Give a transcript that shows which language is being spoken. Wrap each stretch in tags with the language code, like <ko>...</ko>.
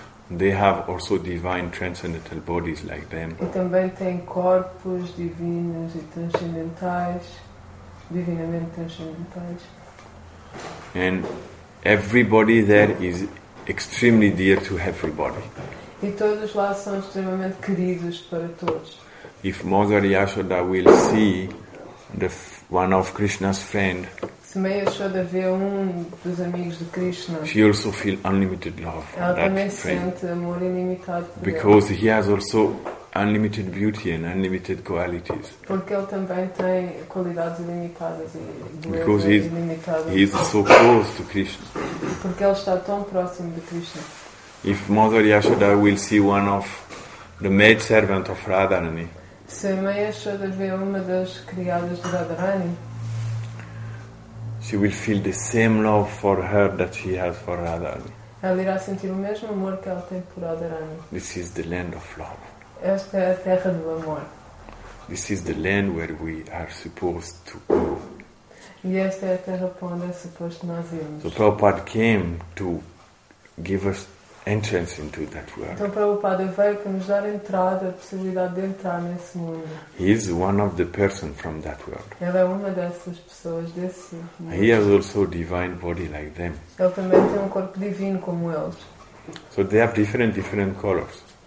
<en>They have also divine transcendental bodies like them.</en> <pt>E também têm corpos divinos e transcendentais, divinamente transcendentais.</pt> <en>And everybody there is extremely dear to everybody.</en> <pt>E todos lá são extremamente queridos para todos.</pt> <en>If Mother Yashoda will see one of Krishna's friends,</en> <pt>se Mãe Yashoda vê dos amigos de Krishna,</pt> <en>she also feels unlimited love for</en> <pt>ela</pt> <en>that</en> <pt>também</pt> <en>friend.</en> <pt>Sente amor ilimitado por</pt> <en>because</en> <pt>ele.</pt> <en>He has also unlimited beauty and unlimited qualities.</en> <pt>Porque ele também tem qualidades ilimitadas e</pt> <en>because</en> <pt>ilimitadas.</pt> <en>He is so close to Krishna.</en> <pt>Porque ele está tão próximo de Krishna.</pt> <en>If Mother Yashoda will see one of the maid servant of Radharani,</en> <pt>se Mãe Yashoda vê uma das criadas de Radharani,</pt> <en>she will feel the same love for her that she has for Radharani.</en> <pt>Ela irá sentir o mesmo amor que ela tem por Radharani.</pt> <en>This is the land of love.</en> <pt>Esta é a terra do amor.</pt> <en>This is the land where we are supposed to go.</en> <pt>E esta é a terra para onde é suposto nós irmos.</pt> <en>So Prabhupada came to give us entrance into that world.</en> <pt>Então Prabhupada veio para nos dar entrada, a possibilidade de entrar nesse mundo.</pt> <en>He is one of the persons from that world.</en> <pt>Ele é uma dessas pessoas desse mundo.</pt> <en>He has also a divine body like them.</en> <pt>Ele também tem corpo divino como eles.</pt> <en>So they have different colors.</en>